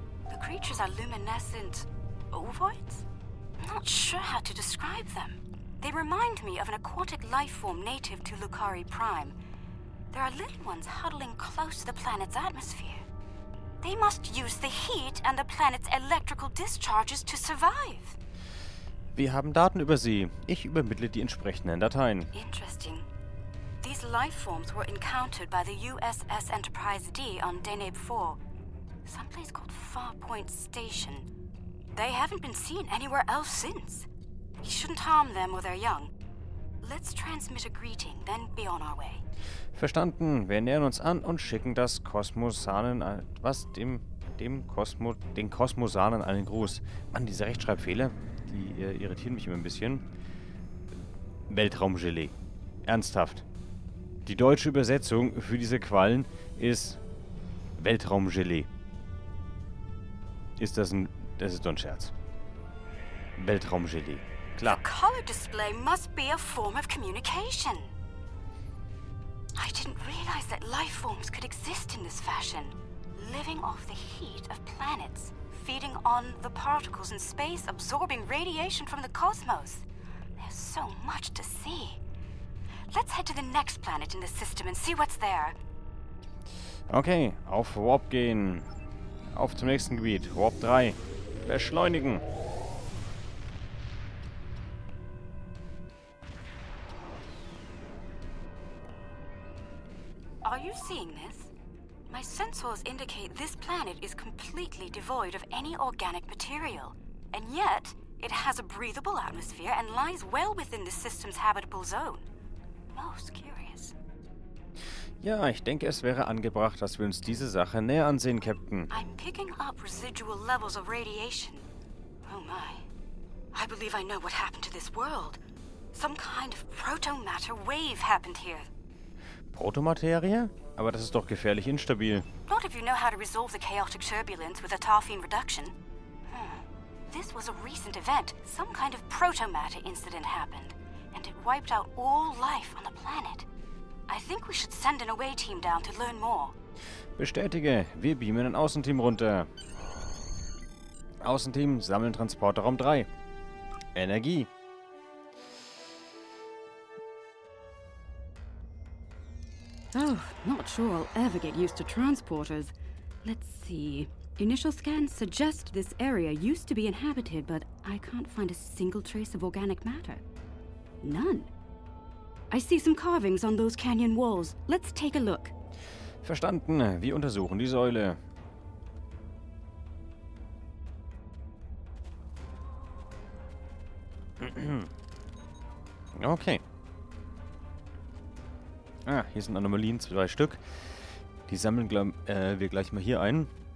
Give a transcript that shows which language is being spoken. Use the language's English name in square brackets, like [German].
[English] The creatures are luminescent ovoids? Not sure how to describe them. They remind me of an aquatic life form native to Lucari Prime. There are little ones huddling close to the planet's atmosphere. They must use the heat and the planet's electrical discharges to survive. [German] Wir haben Daten über sie. Ich übermittle die entsprechenden Dateien. [English] Interesting. These life forms were encountered by the USS Enterprise D on Deneb 4. Someplace called Farpoint Station. They haven't been seen anywhere else since. We shouldn't harm them or their young. Let's transmit a greeting, then be on our way. [German] Verstanden. Wir nähern uns an und schicken das Kosmosanen den Kosmosanen einen Gruß. Mann, diese Rechtschreibfehler, die irritieren mich immer ein bisschen. Weltraumgelee. Ernsthaft. Die deutsche Übersetzung für diese Quallen ist Weltraumgelee. Das ist doch ein Scherz. Weltraumgelee. Klar. [English] The color display must be a form of communication. I didn't realize that life forms could exist in this fashion. Living off the heat of planets, feeding on the particles in space, absorbing radiation from the cosmos. There's so much to see. Let's head to the next planet in the system and see what's there. [German] Okay, auf Warp gehen. Auf zum nächsten Gebiet, Warp 3. Beschleunigen. [English] Are you seeing this? My sensors indicate this planet is completely devoid of any organic material. And yet, it has a breathable atmosphere and lies well within the system's habitable zone. Most curious. [German] Ja, ich denke, es wäre angebracht, dass wir uns diese Sache näher ansehen, Captain. [English] I'm picking up residual levels of radiation. Oh my. I believe I know what happened to this world. Some kind of proto-matter wave happened here. [German] Protomaterie? Aber das ist doch gefährlich instabil. [English] Not if you know how to resolve the chaotic turbulence with a Tarfine reduction. This was a recent event. Some kind of protomatter incident happened. And it wiped out all life on the planet. I think we should send an away team down to learn more. [German] Bestätige, wir beamen ein Außenteam runter. Außenteam, sammeln Transporterraum 3. Energie. [English] Oh, not sure I'll ever get used to transporters. Let's see. Initial scans suggest this area used to be inhabited, but I can't find a single trace of organic matter. None. I see some carvings on those canyon walls. Let's take a look. [German] Verstanden. Wir untersuchen die Säule. Okay. Ah, hier sind Anomalien, zwei Stück. Die sammeln wir gleich mal hier ein.